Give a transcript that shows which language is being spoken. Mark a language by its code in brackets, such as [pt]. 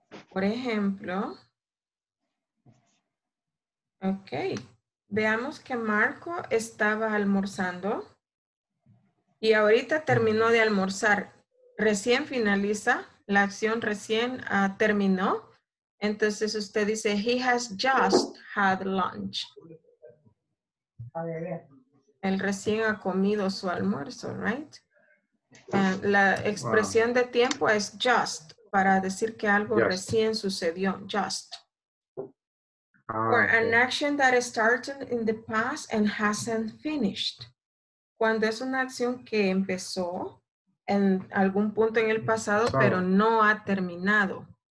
[es] Por ejemplo, okay, veamos que Marco estaba almorzando y ahorita terminó de almorzar. Recién finaliza, la acción recién terminó. Entonces usted dice, [en] he has just had lunch. [es] Él recién ha comido su almuerzo, right? La expresión de tiempo es just, para decir que algo recién sucedió, just. [en] For an action that started in the past and hasn't finished. [es] Cuando es una acción que empezó en algún punto en el pasado, pero no ha terminado.